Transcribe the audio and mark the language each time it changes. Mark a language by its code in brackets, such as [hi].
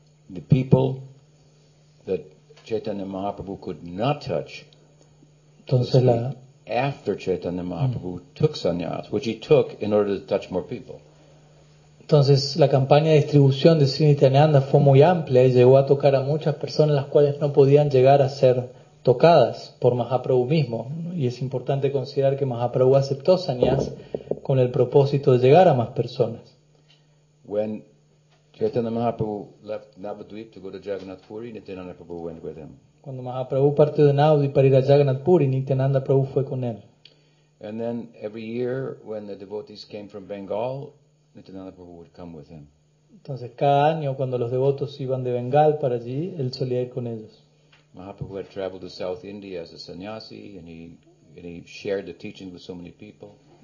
[en] the people that Chaitanya Mahaprabhu could not touch. [es] Entonces la [en] after Chaitanya Mahaprabhu took sannyas, which he took in order to touch more people. [es] Entonces la campaña de distribución de Sri Nityananda fue muy amplia y llegó a tocar a muchas personas las cuales no podían llegar a ser tocadas por Mahaprabhu mismo. Y es importante considerar que Mahaprabhu aceptó sannyas con el propósito de llegar a más personas. [en] When Chaitanya Mahaprabhu left Navadvip to go to Jagannath Puri, Nityananda Prabhu went with him. [es] Cuando Mahaprabhu partió de Navadvip para ir a Jagannath Puri, Nityananda Prabhu fue con él. [en] And then every year when the devotees came from Bengal, Nityananda Prabhu would come with him. [es] Entonces cada año cuando los devotos iban de Bengal para allí, él solía ir con ellos. [en] Mahaprabhu had traveled to South India as a sannyasi and he shared the teaching with so many people.